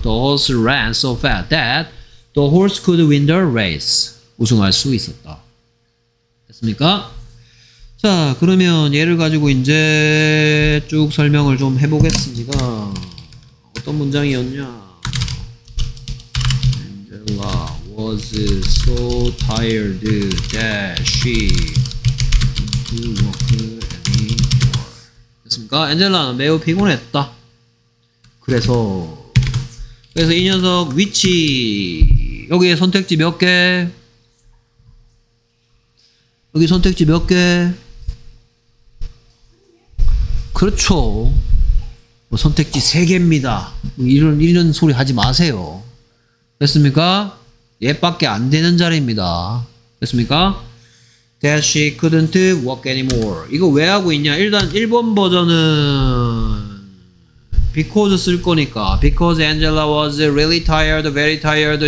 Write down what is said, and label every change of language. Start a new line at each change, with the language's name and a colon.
English: The horse ran so fast that the horse could win the race.
Korean: 우승할 수 있었다. 됐습니까? 자, 그러면 얘를 가지고 이제 쭉 설명을 좀 해보겠습니다. 어떤 문장이었냐?
English: Angela was so tired that she didn't walk.
Korean: 엔젤라는 매우 피곤했다. 그래서 이 녀석 위치 여기에 선택지 몇 개? 여기 선택지 몇 개? 그렇죠. 뭐 선택지 3개입니다. 이런 소리 하지 마세요. 됐습니까? 얘밖에 안 되는 자리입니다. 됐습니까?
English: That she couldn't walk anymore.
Korean: 이거 왜 하고 있냐? 일단 1번 버전은
English: because
Korean: 쓸 거니까
English: because Angela was really tired, very tired.